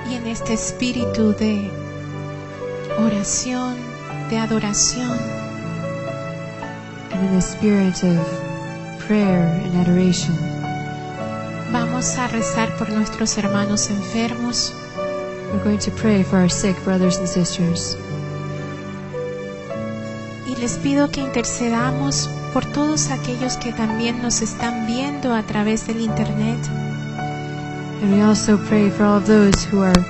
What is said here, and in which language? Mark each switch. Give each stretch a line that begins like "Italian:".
Spanish: Este espíritu de oración, de adoración.
English: And in the spirit of prayer and adoration.
Spanish: Vamos a rezar por nuestros hermanos enfermos.
English: We're going to pray for our sick brothers and sisters.
Spanish: Y les pido que intercedamos por todos aquellos que también nos están viendo a través del internet.
English: And we also pray for all of those who are